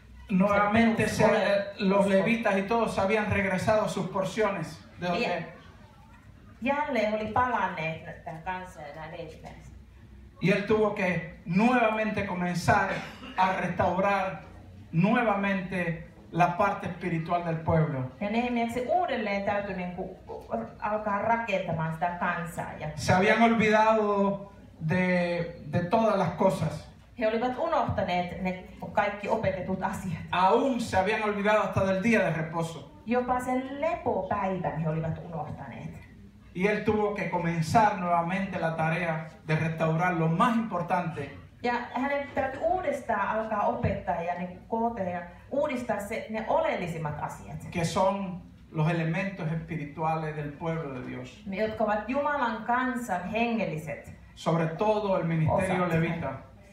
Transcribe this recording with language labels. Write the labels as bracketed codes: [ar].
[es] Nuevamente los levitas y todos habían regresado sus porciones de donde. [fi] Jälleen oli palanneet tämän kansan ja nämä leviläiset. [es] Y él tuvo que nuevamente comenzar a restaurar nuevamente la parte espiritual del pueblo. [fi] Ja Nehemiän se uudelleen täytyi niinku alkaa rakentamaan sitä kansaa. Ja [es] se habían olvidado de todas las cosas. [fi] He olivat unohtaneet ne kaikki opetetut asiat. [es] Aún se habían olvidado hasta del día de reposo. [fi] Jopa sen lepopäivän he olivat unohtaneet. [es] y él tuvo que comenzar nuevamente la tarea de restaurar lo más importante. [fi] Ja hänen täytyy uudestaan alkaa opettaa ja ne kotea ja uudistaa se ne oleellisimmat asiat. [es] Que son los elementos espirituales del pueblo de Dios. [fi] Ne, jotka ovat Jumalan kansan hengelliset. [es] Sobre todo el ministerio osat, levita.